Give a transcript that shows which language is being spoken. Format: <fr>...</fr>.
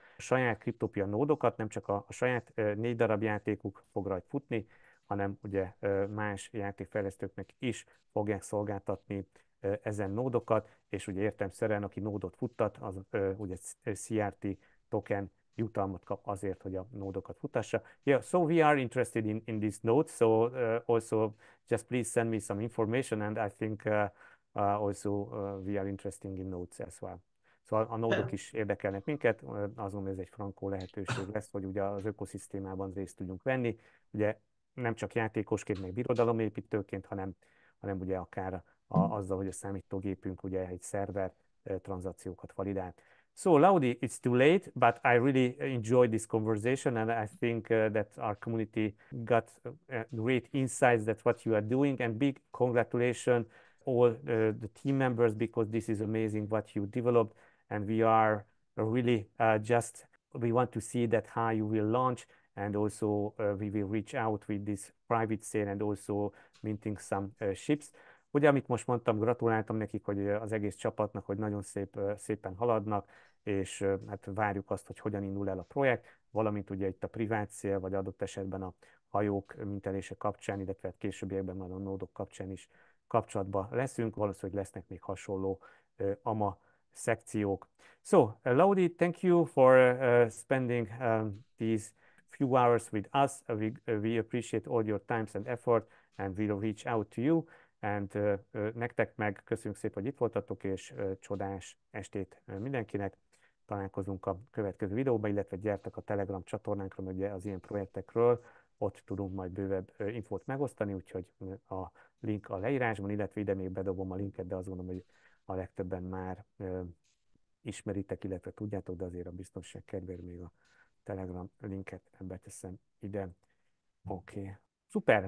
<hu>A saját Kriptopia nódokat nem csak a saját négy darab játékuk fog rajt futni, hanem ugye más játékfejlesztőknek is fogják szolgáltatni ezen nódokat, és ugye értelemszerűen, aki nódot futtat, az ugye CRT token jutalmat kap azért, hogy a nódokat futassa.</hu> <en>Yeah, so we are interested in this node, so also just please send me some information, and I think also we are interested in nodes as well.</en> <hu>Szóval a nódok is érdekelnek minket, azon ez egy frankó lehetőség lesz, hogy ugye az ökoszisztémában részt tudjunk venni, ugye nem csak játékosként, meg birodalomépítőként, hanem ugye akár azzal, hogy a számítógépünk ugye egy szerver tranzakciókat validált.</hu> <en>So, Laudi, it's too late, but I really enjoyed this conversation, and I think that our community got great insights that what you are doing, and big congratulations all the team members, because this is amazing what you developed, and we are really we want to see that how you will launch, and also we will reach out with this private sale and also minting some ships.</en> <hu>Ugye, amit most mondtam, gratuláltam nekik, hogy az egész csapatnak, hogy nagyon szépen haladnak, és hát várjuk azt, hogy hogyan indul el a projekt, valamint ugye itt a privát cél, vagy adott esetben a hajók mintelése kapcsán, illetve későbbiekben már a nódok kapcsán is kapcsolatban leszünk, valószínűleg lesznek még hasonló AMA szekciók.</hu> <en>So, Laudi, thank you for spending these few hours with us. We appreciate all your times and effort, and we'll reach out to you.</en> <hu>And nektek meg köszönjük szépen, hogy itt voltatok, és csodás estét mindenkinek. Találkozunk a következő videóban, illetve gyertek a Telegram csatornánkra, ugye az ilyen projektekről, ott tudunk majd bővebb infót megosztani, úgyhogy a link a leírásban, illetve ide még bedobom a linket, de azt gondolom, hogy a legtöbben már ismeritek, illetve tudjátok, de azért a biztonság kedvéért még a Telegram linket beteszem ide. Oké. Szuper!</hu>